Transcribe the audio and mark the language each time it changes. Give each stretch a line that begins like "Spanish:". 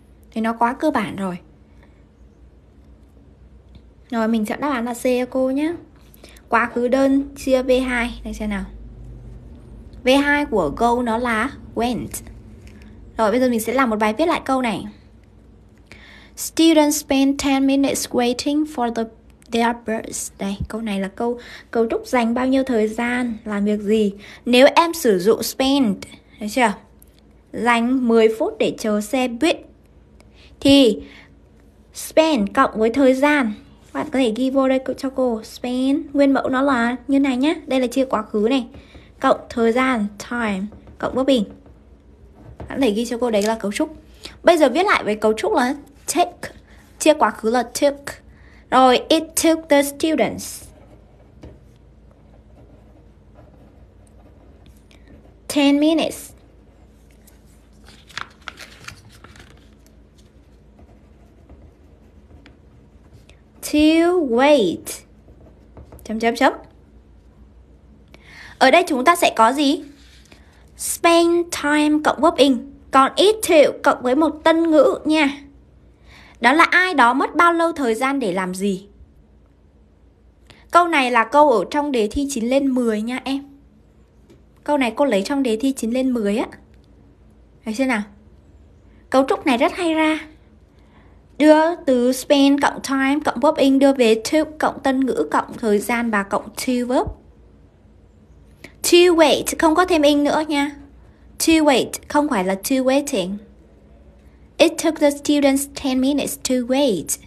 Vietnamese: Thì nó quá cơ bản rồi. Rồi mình chọn đáp án là C cho cô nhá. Quá khứ đơn chia V2 này xem nào. V2 của go nó là went. Rồi bây giờ mình sẽ làm một bài viết lại câu này.
English: Students spend 10 minutes waiting for their bus.
Vietnamese: Đây, câu này là câu cấu trúc dành bao nhiêu thời gian làm việc gì? Nếu em sử dụng spend, thấy chưa? Dành 10 phút để chờ xe buýt thì spend cộng với thời gian. Bạn có thể ghi vô đây cho cô. Spend nguyên mẫu nó là như này nhá. Đây là chia quá khứ này. Cộng thời gian time cộng bất bình. Bạn có thể ghi cho cô đấy là cấu trúc. Bây giờ viết lại với cấu trúc là take, chia quá khứ là took.
English: Rồi it took the students. Ten minutes. To wait.
Vietnamese: Chấm chấm chấm. Ở đây chúng ta sẽ có gì?
English: Spend time
Vietnamese: cộng
English: verb in.
Vietnamese: Còn
English: it took
Vietnamese: cộng với một tân ngữ nha. Đó là ai đó mất bao lâu thời gian để làm gì? Câu này là câu ở trong đề thi 9 lên 10 nha em. Câu này cô lấy trong đề thi 9 lên 10 á. Thấy chưa nào? Cấu trúc này rất hay ra. Đưa từ spend cộng time cộng
English: verb in
Vietnamese: đưa về took cộng tân ngữ cộng thời gian và cộng to verb.
English: To wait
Vietnamese: không có thêm in nữa nha. To wait không phải là
English: to waiting. It took the students 10 minutes to wait.